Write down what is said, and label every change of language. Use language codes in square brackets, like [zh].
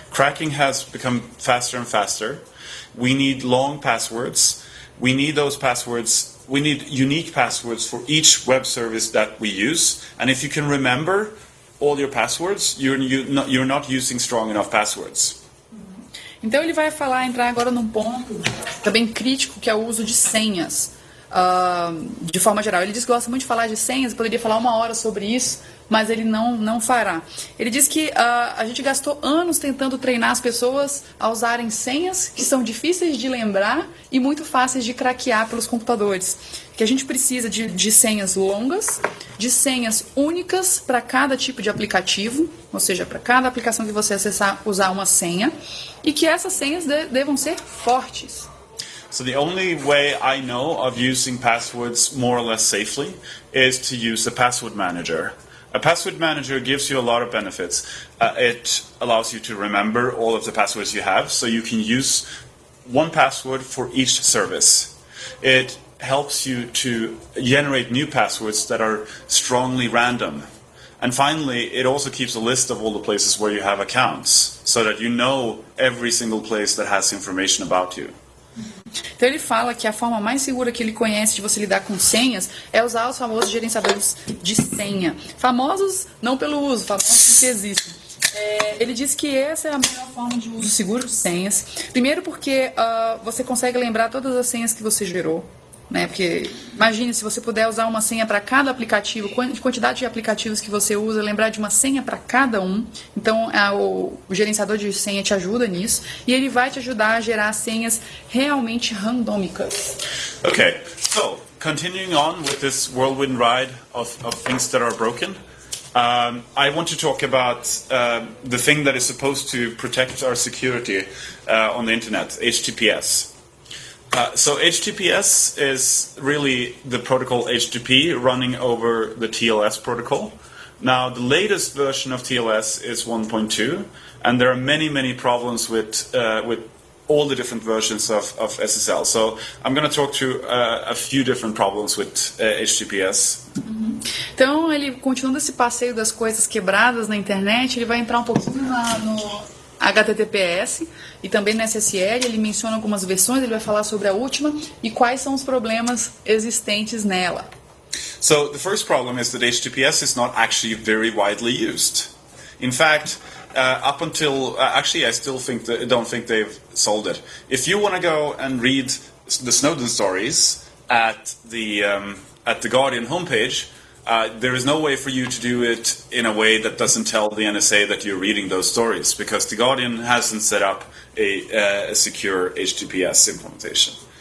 [en] Cracking has become faster and faster. We need long passwords. We need those passwords. We need unique passwords for each web service that we use. And if you can remember all your passwords, you're not using strong enough passwords. [pt] Então ele vai falar, entrar agora num ponto também crítico, que é o uso de senhas, de forma geral. Ele diz que gosta muito de falar de senhas, poderia falar uma hora sobre isso, mas ele não fará. Ele diz que a gente gastou anos tentando treinar as pessoas a usarem senhas que são difíceis de lembrar e muito fáceis de craquear pelos computadores. Que a gente precisa de senhas longas, de senhas únicas para cada tipo de aplicativo, ou seja, para cada aplicação que você acessar, usar uma senha, e que essas senhas devam ser fortes. [en] So the only way I know of using passwords more or less safely is to use a password manager. A password manager gives you a lot of benefits. It allows you to remember all of the passwords you have, so you can use one password for each service. It helps you to generate new passwords that are strongly random. And finally, it also keeps a list of all the places where you have accounts, so that you know every single place that has information about you. [pt] Então ele fala que a forma mais segura que ele conhece de você lidar com senhas é usar os famosos gerenciadores de senha. Famosos não pelo uso, famosos porque existem. Ele diz que essa é a melhor forma de uso seguro de senhas. Primeiro porque você consegue lembrar todas as senhas que você gerou, né? Porque imagine se você puder usar uma senha para cada aplicativo, quantidade de aplicativos que você usa, lembrar de uma senha para cada um. Então o gerenciador de senha te ajuda nisso e ele vai te ajudar a gerar senhas realmente randômicas. [en] Okay, so continuing on with this whirlwind ride of things that are broken, I want to talk about the thing that is supposed to protect our security on the internet, HTTPS. So HTTPS is really the protocol HTTP running over the TLS protocol. Now, the latest version of TLS is 1.2, and there are many, many problems with all the different versions of SSL. So I'm going to talk through a few different problems with HTTPS. Uhum. [pt] Então, ele continuando esse passeio das coisas quebradas na internet, ele vai entrar um pouquinho lá no HTTPS e também na SSL. Ele menciona algumas versões, ele vai falar sobre a última e quais são os problemas existentes nela. [en] So, the first problem is that HTTPS is not actually very widely used. In fact, I don't think they've solved it. If you want to go and read the Snowden stories at the Guardian homepage, there is no way for you to do it in a way that doesn't tell the NSA that you're reading those stories, because The Guardian hasn't set up a secure HTTPS implementation.